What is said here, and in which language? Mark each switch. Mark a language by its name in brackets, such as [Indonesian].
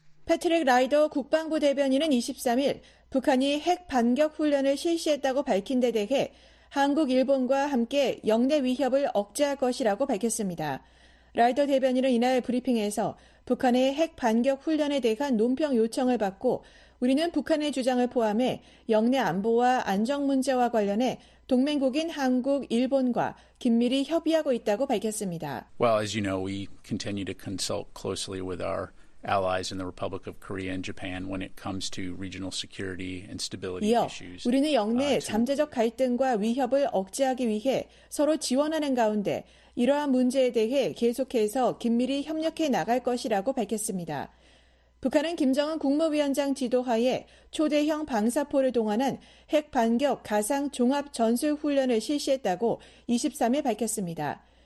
[Korean] 패트릭 라이더 국방부 대변인은 23일 북한이 핵 반격 훈련을 실시했다고 밝힌 데 대해 한국, 일본과 함께 영내 위협을 억제할 것이라고 밝혔습니다. 라이더 대변인은 이날 브리핑에서 북한의 핵 반격 훈련에 대한 논평 요청을 받고 우리는 북한의 주장을 포함해 영내 안보와 안정 문제와 관련해 동맹국인 한국, 일본과 긴밀히 협의하고 있다고 밝혔습니다. [English] Well, as you know, we continue to consult closely with our allies in the Republic of Korea and Japan when it comes to regional security and stability [Korean] 이어, [English] issues. [Korean] 우리는 영내 잠재적 갈등과 위협을 억제하기 위해 서로 지원하는 가운데 이러한 문제에 대해 계속해서 긴밀히 협력해 나갈 것이라고 밝혔습니다. 북한은 김정은 국무위원장 지도하에 초대형 방사포를 동원한 핵 반격 가상 종합 전술 훈련을 실시했다고 23일 밝혔습니다.